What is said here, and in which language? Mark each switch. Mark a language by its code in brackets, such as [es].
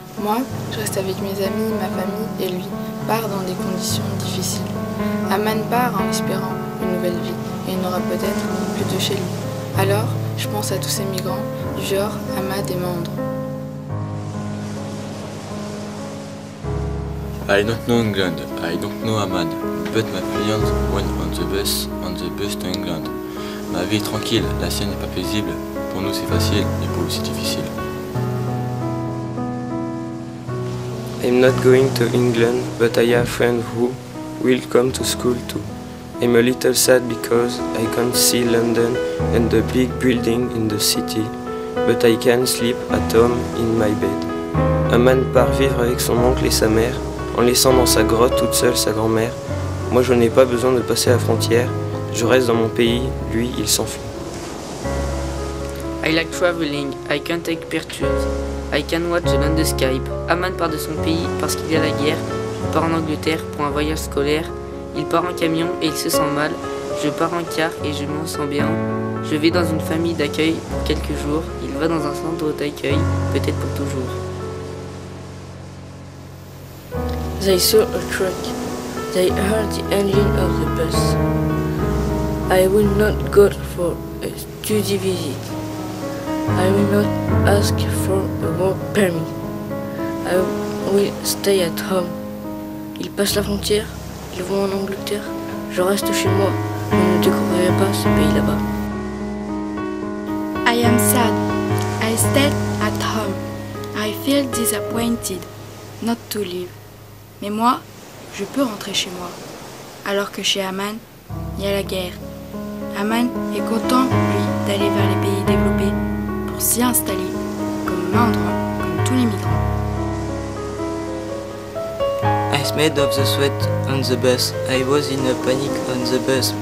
[fr] Moi, je reste avec mes amis, ma famille et lui, part dans des conditions difficiles. Aman part en espérant une nouvelle vie et il n'aura peut-être plus de chez lui. Alors, je pense à tous ces migrants, du genre Ahmad et Mandre. [en] I don't know England, I don't know Aman, but my parents went on the bus to England. [fr] Ma vie est tranquille, la sienne n'est pas paisible, pour nous c'est facile et pour lui c'est difficile. [en] I'm not going to England, but I have a friend who will come to school too. I'm a little sad because I can't see London and the big building in the city, but I can sleep at home in my bed. [fr] Aman part vivre avec son oncle et sa mère, en laissant dans sa grotte toute seule sa grand-mère. Moi, je n'ai pas besoin de passer la frontière. Je reste dans mon pays. Lui, il s'enfuit. [en] I like traveling. I can't take pictures. I can watch the landscape. [fr] Aman part de son pays parce qu'il y a la guerre. Je pars en Angleterre pour un voyage scolaire. Il part en camion et il se sent mal. Je pars en car et je m'en sens bien. Je vais dans une famille d'accueil pour quelques jours. Il va dans un centre d'accueil, peut-être pour toujours. [en] They saw a truck. They heard the engine of the bus. I will not go for a study visit. I will not ask for a work permit. I will stay at home. [fr] Ils passent la frontière, ils vont en Angleterre. Je reste chez moi. Je ne découvrirai pas ce pays là-bas. [en] I am sad. I stayed at home. I feel disappointed not to leave. [fr] Mais moi, je peux rentrer chez moi. Alors que chez Aman, il y a la guerre. Aman est content, lui, d'aller vers les pays développés pour s'y installer, comme un endroit, comme tous les migrants. [en] I smelled of the sweat on the bus. I was in a panic on the bus.